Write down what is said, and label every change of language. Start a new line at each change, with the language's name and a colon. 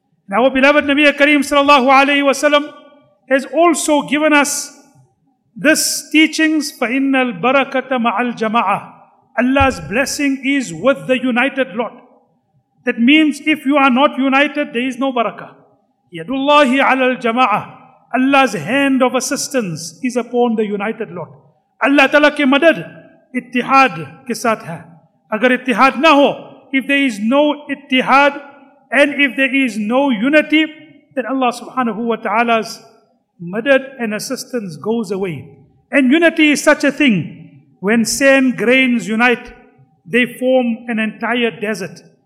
English: And our beloved Nabi Kareem sallallahu alayhi wa sallam has also given us this teachings,
Arabic: فَإِنَّ الْبَرَكَةَ مَعَ الْجَمَعَةِ.
English: Allah's blessing is with the united lot. That means if you are not united, there is no barakah.
Arabic: يَدُ اللَّهِ عَلَى الْجَمَعَةِ.
English: Allah's hand of assistance is upon the united lot.
Urdu: Allah تعالیٰ کے مدد اتحاد کے ساتھ ہے. اگر اتحاد نہ ہو,
English: if there is no اتحاد and if there is no unity, then Allah subhanahu wa ta'ala's madad and assistance goes away. And unity is such a thing. When sand grains unite, they form an entire desert.